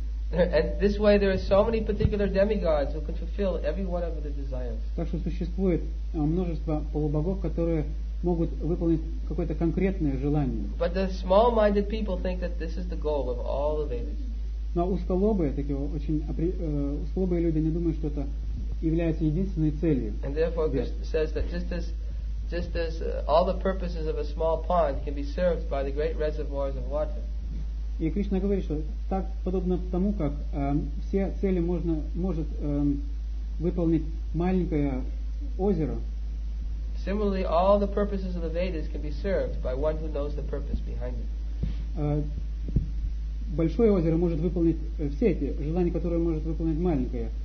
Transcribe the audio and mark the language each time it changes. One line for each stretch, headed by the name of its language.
English: And this way there are so many particular demigods who can fulfill every one of the desires.
Russian: Так что существует множество полубогов, которые могут выполнить какое-то конкретное желание.
English: But the small-minded people think that this is the goal of all the Vedas.
Russian: Но узколобые такие очень узколобые люди не думают, что это является единственной целью.
English: And therefore it says that just as all the purposes of a small pond can be served by the great reservoirs of water.
Russian: И Кришна говорит, что так подобно тому, как все цели может выполнить маленькое озеро.
English: Similarly, all the purposes of the Vedas can be served by one who knows the purpose behind it.
Russian: Большое озеро может выполнить все эти желания, которые может выполнить маленькое.